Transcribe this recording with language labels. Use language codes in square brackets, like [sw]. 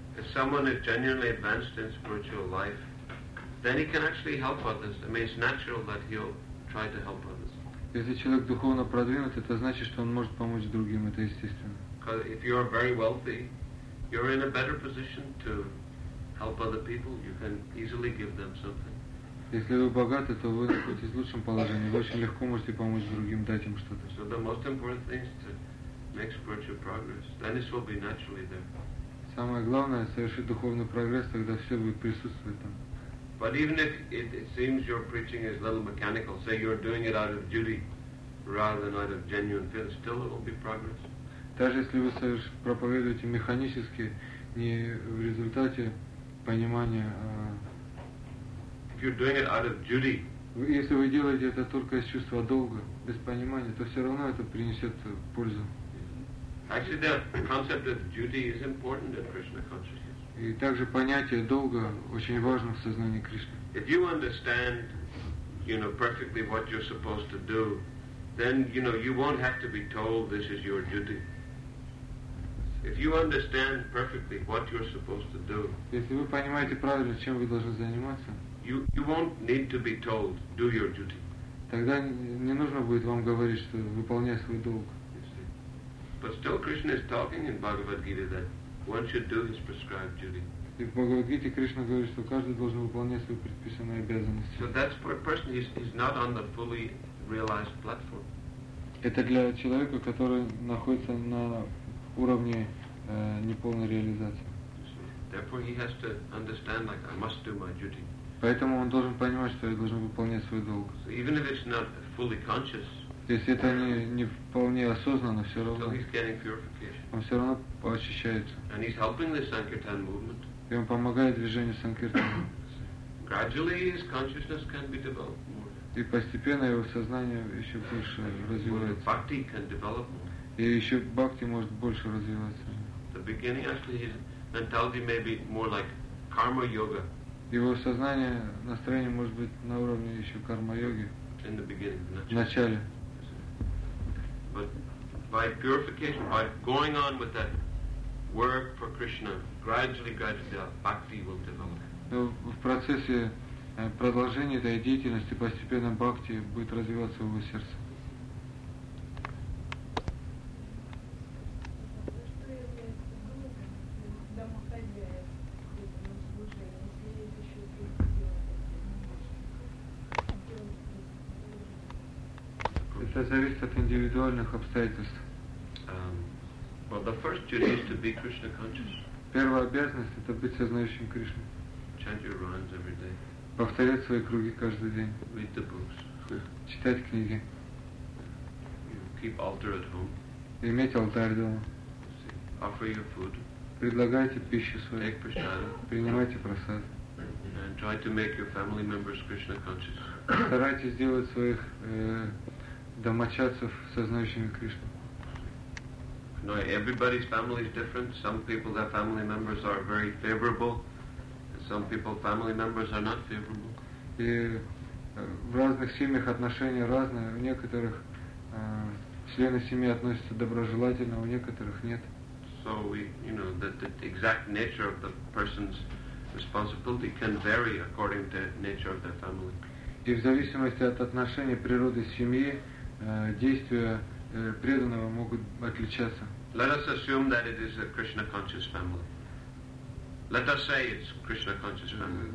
[en] If someone is genuinely advanced in spiritual life, then he can actually help others. I mean, it's natural that he'll try to help others. [ru] Если человек духовно продвинут, это значит, что он может помочь другим. Это естественно. [en] Because if you are very wealthy, you're in a better position to help other people. You can easily give them something. [ru] Если вы богаты, то вы находитесь в лучшем положении. Вы очень легко можете помочь другим, дать им что-то. [en] So the most important thing is to make spiritual progress. Then this will be naturally there. [ru] Самое главное — совершить духовный прогресс, тогда все будет присутствовать там. [en] But even if it seems your preaching is a little mechanical, say you're doing it out of duty rather than out of genuine feeling, still it will be progress. [ru] Даже если вы проповедуете механически, не в результате понимания, [en] if you're doing it out of duty, [ru] если вы делаете это только из чувства долга, без понимания, то все равно это принесет пользу. [en] Actually, the concept of duty is important in Krishna consciousness. [ru] И также понятие долга очень важно в сознании Кришны. [en] If you understand, you know, perfectly what you're supposed to do, then, you know, you won't have to be told this is your duty. If you understand perfectly what you're supposed to do, [ru] если вы понимаете правильно, чем вы должны заниматься, [en] you won't need to be told do your duty. [ru] Тогда не нужно будет вам говорить, что выполняй свой долг. [en] But still Krishna is talking in Bhagavad Gita that one should do his prescribed duty. [ru] И в Бхагавад Гите Кришна говорит, что каждый должен выполнять свою предписанную обязанность. [en] So that's for a person who's not on the fully realized platform. [ru] Это для человека, который находится на уровне неполной реализации. [en] Therefore he has to understand like I must do my duty. [ru] Поэтому он должен понимать, что я должен выполнять свой долг. [en] So even if it's not fully conscious. [ru] То есть это не вполне осознанно, все равно он все равно очищается. [en] And he's helping the Sankirtan movement. [ru] И он помогает движению Санкиртана. [en] Gradually his consciousness can be developed more. [ru] И постепенно его сознание еще больше развивается. [en] Bhakti can develop more. [ru] И еще бхакти может больше развиваться. [en] The beginning actually his mentality may be more like karma yoga. [ru] Его сознание, настроение может быть на уровне еще карма-йоги. [en] In the beginning, [ru] в начале. [en] But by purification, by going on with that work for Krishna, gradually bhakti will develop. [ru] Ну, в процессе продолжения этой деятельности постепенно бхакти будет развиваться в его сердце. это зависит от индивидуальных обстоятельств. [en] Well, the first duty is to be Krishna conscious. [ru] Первая обязанность — это быть сознающим Кришной. [en] Chant your rounds every day. [ru] Повторять свои круги каждый день. [en] Read the books. [ru] Читать книги. [en] You keep altar at home. [ru] Иметь алтарь дома. [en] Offer your food. [ru] Предлагайте пищу свою. [en] Take prasada. [ru] Принимайте просад. [en] And try to make your family members Krishna conscious. [ru] Старайтесь сделать своих домочадцев сознающими Кришну. [en] No, everybody's family is different. Some people, their family members are very favorable. Some people, family members are not favorable. [ru] И в разных семьях отношения разные. У некоторых члены семьи относятся доброжелательно, у некоторых нет. [en] So we, you know, the exact nature of the person's responsibility can vary according to nature of their family. [ru] И в зависимости от отношений природы семьи действия преданного могут отличаться. [en] Let us assume that it is a Krishna conscious family. Let us say it's Krishna conscious family.